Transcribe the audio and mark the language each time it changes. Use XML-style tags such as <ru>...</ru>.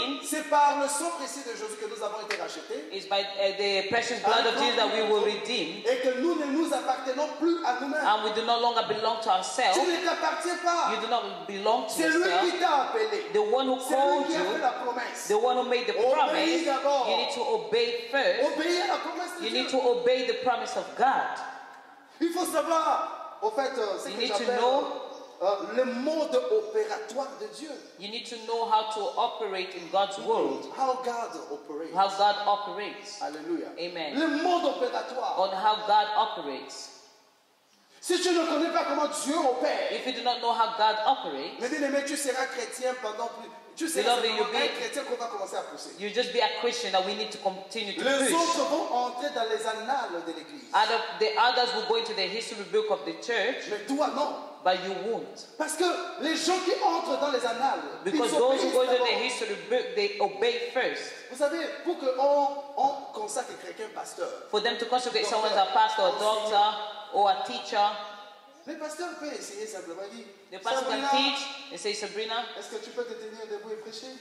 <fr>C'est par le sang précieux de Jésus que nous avons été rachetés.</fr> <en>It's by the precious blood of Jesus that we were redeemed.</en> <fr>Et que nous ne nous appartenons plus à nous-mêmes.</fr> <en>And we do no longer belong to ourselves.</en> <fr>Tu ne t'appartiens pas.</fr> <en>You do not belong to yourself.</en> <fr>C'est lui qui t'a appelé.</fr> <en>The one who called you. The one who made the promise.</en> <fr>D'abord.</fr> <en>You need to obey first.</en> <fr>Obéis à la promesse de</fr> <en>Dieu. Need to obey the promise of God.</en> <fr>Il faut savoir. En fait, c'est</fr> <en>you need to know</en> <fr>le mode opératoire de Dieu.</fr> <en>You need to know how to operate in God's world. How God operates. How God operates. Hallelujah. Amen.</en> <fr>Le mode opératoire.</fr> <en>On how God operates.</en> <fr>Si tu ne connais pas comment Dieu opère,</fr> <en>if you do not know how God operates,</en> <fr>mais bien-aimé, tu seras chrétien pendant plus. Tu sais,</fr> <en>beloved, you'll be, chrétien, you'll just be a Christian that we need to continue to</en> <fr>les</fr> <en>push.</en> <fr>Autres vont entrer dans les annales de l'église.</fr> <en>The others will go into the history book of the church.</en> <fr>Mais toi, non.</fr> <en>But you won't.</en> <fr>Parce que les gens qui entrent dans les annales,</fr> <en>because</en> <fr>ils</fr> <en>those who go into the history book, they obey first.</en> <fr>Vous savez, pour que on consacre quelqu'un pasteur,</fr> <en>for them to consecrate docteur, someone as a pastor, a doctor, or a teacher,</en> <fr>le pasteur peut essayer simplement dire,</fr> <en>the pastor Sabrina, can teach and say, Sabrina,</en> <fr>est-ce que tu peux te tenir debout et prêcher?</fr>